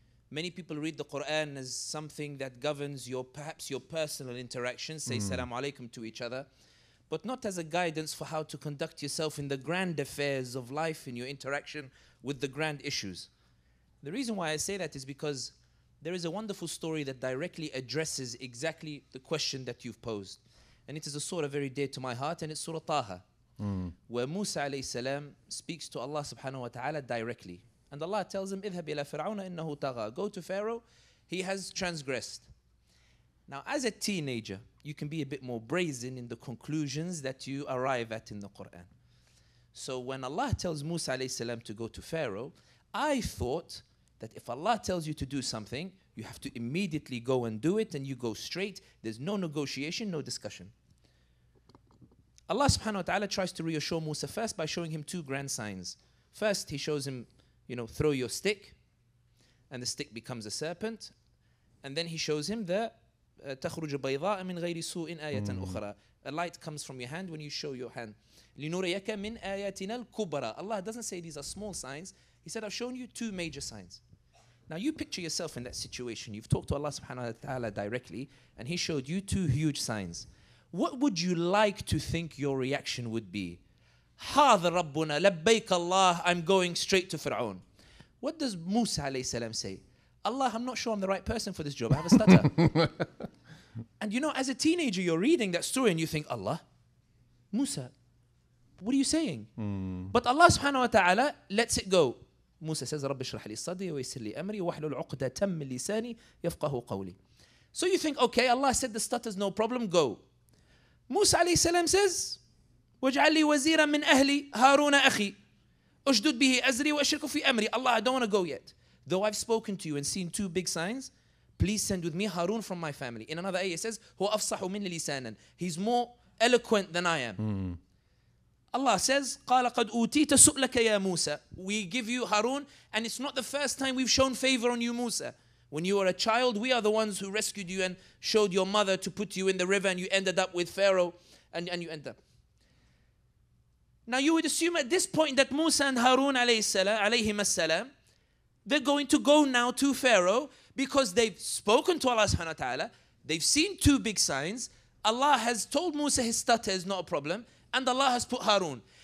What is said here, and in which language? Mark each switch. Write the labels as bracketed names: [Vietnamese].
[English] Many people read the Quran as something that governs your, perhaps your personal interactions, say salam alaikum to each other, but not as a guidance for how to conduct yourself in the grand affairs of life, in your interaction with the grand issues. The reason why I say that is because there is a wonderful story that directly addresses exactly the question that you've posed. And it is a surah very dear to my heart, and it's Surah Taha, where Musa alayhi salam speaks to Allah subhanahu wa ta'ala directly. And Allah tells him, [Arabic] اذهب إلى فرعون إنه طغى. [English] Go to Pharaoh, he has transgressed. Now, as a teenager, you can be a bit more brazen in the conclusions that you arrive at in the Quran. So when Allah tells Musa alayhi salam to go to Pharaoh, I thought that if Allah tells you to do something, you have to immediately go and do it, and you go straight. There's no negotiation, no discussion. Allah subhanahu wa ta'ala tries to reassure Musa first by showing him two grand signs. First, he shows him, you know, throw your stick, and the stick becomes a serpent. And then he shows him the [Arabic] تخرج بيضاء من غير سوء آية أخرى. [English] A light comes from your hand when you show your hand. [Arabic] لنريك من آياتنا الكبرى. [English] Allah doesn't say these are small signs. He said, I've shown you two major signs. Now you picture yourself in that situation. You've talked to Allah subhanahu wa ta'ala directly, and he showed you two huge signs. What would you like to think your reaction would be? [Arabic] هذا ربنا لبيك الله, [English] I'm going straight to Fir'aun. What does Musa alayhi salam say? Allah, I'm not sure I'm the right person for this job. I have a stutter. And you know, as a teenager, you're reading that story and you think, Allah, Musa, what are you saying? But Allah subhanahu wa ta'ala lets it go. Musa says, [Arabic] رب اشرح لي صدري ويسر لي أمري واحلل عقدة من لساني يفقه قولي. [English] So you think, okay, Allah said the stutter's no problem, go. Musa alayhi salam says, [Arabic] واجعل لي وزيرا من أهلي هارون أخي أشدد به أزري وأشرك في أمري. [English] Allah, I don't want to go yet. Though I've spoken to you and seen two big signs, please send with me Harun from my family. In another ayah, it says, [Arabic] هو أفصح من لسانا. [English] He's more eloquent than I am. Allah says, [Arabic] قال قد أوتيت سؤلك يا موسى. [English] We give you Harun, and it's not the first time we've shown favor on you, Musa. When you were a child, we are the ones who rescued you and showed your mother to put you in the river, and you ended up with Pharaoh, and you end up. Now you would assume at this point that Musa and Harun alayhim as-salam, they're going to go now to Pharaoh because they've spoken to Allah subhanahu wa ta'ala, they've seen two big signs, Allah has told Musa his stutter is not a problem, and Allah has put Harun.